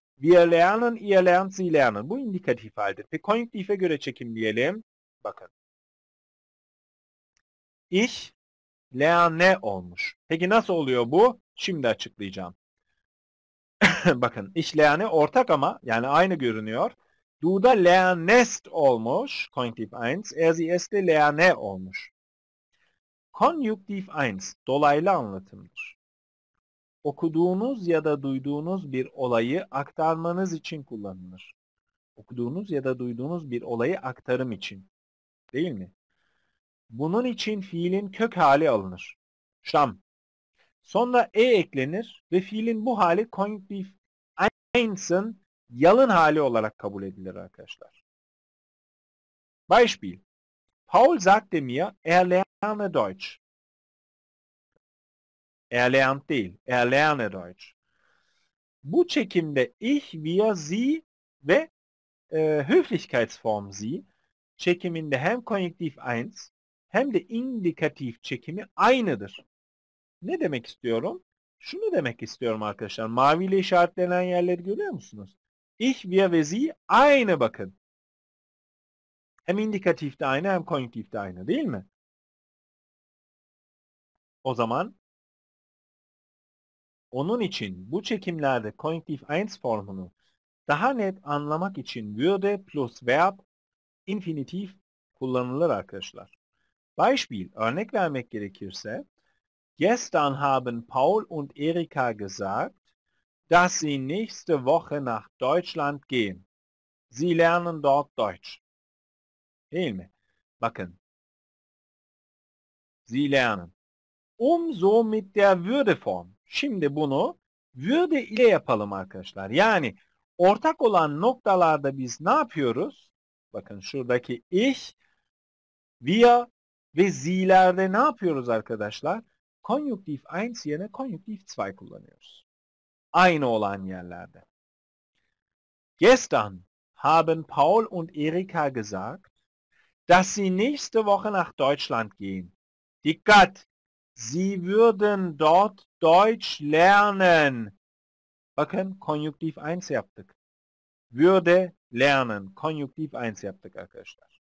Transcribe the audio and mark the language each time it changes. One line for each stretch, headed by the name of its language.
German: Wir lernen, ihr lernt, sie lernen.
Turkish: Bu indikatif halidir. Peki konjunktife göre çekim diyelim. Bakın. Ich lerne olmuş. Peki nasıl oluyor bu? Şimdi açıklayacağım. Bakın, ich lerne ortak ama yani aynı görünüyor. Du da lernest olmuş. Konjunktiv 1. Er sie es de lerne olmuş. Konjunktiv 1. Dolaylı anlatımdır. Okuduğunuz ya da duyduğunuz bir olayı aktarmanız için kullanılır. Okuduğunuz ya da duyduğunuz bir olayı aktarım için. Değil mi? Bunun için fiilin kök hali alınır. Şam. Sonra e eklenir ve fiilin bu hali konjüktif einsin yalın hali olarak kabul edilir arkadaşlar.
German: Beispiel. Paul sagte mir, lerne Deutsch.
Turkish: Lernt değil.
German: Lerne Deutsch.
Turkish: Bu çekimde ich, wir, sie ve Höflichkeitsform sie çekiminde hem konjüktif eins hem de indikatif çekimi aynıdır. Ne demek istiyorum? Şunu demek istiyorum arkadaşlar. Mavi ile işaretlenen yerleri görüyor musunuz? Ich, wir ve sie aynı bakın. Hem indikatif de aynı hem konjüktif de aynı değil mi? O zaman onun için bu çekimlerde konjüktif eins formunu daha net anlamak için würde plus verb infinitif kullanılır arkadaşlar.
German: Beispiel,
Turkish: örnek vermek gerekirse
German: gestern haben Paul und Erika gesagt, dass sie nächste Woche nach Deutschland gehen. Sie lernen dort Deutsch.
Turkish: Değil mi? Bakın.
German: Sie lernen. Umso mit der würde form.
Turkish: Şimdi bunu würde ile yapalım arkadaşlar. Yani ortak olan noktalarda biz ne yapıyoruz? Bakın şuradaki ich, wir ve sie'lerde ne yapıyoruz arkadaşlar? Konjüktif 1 yerine konjüktif 2 kullanıyoruz. Aynı olan yerlerde.
German: Gestern haben Paul und Erika gesagt, dass sie nächste Woche nach Deutschland gehen.
Turkish: Dikkat!
German: Sie würden dort Deutsch lernen.
Turkish: Bakın konjüktif 1 yaptık. Würde lernen. Konjüktif 1 yaptık arkadaşlar.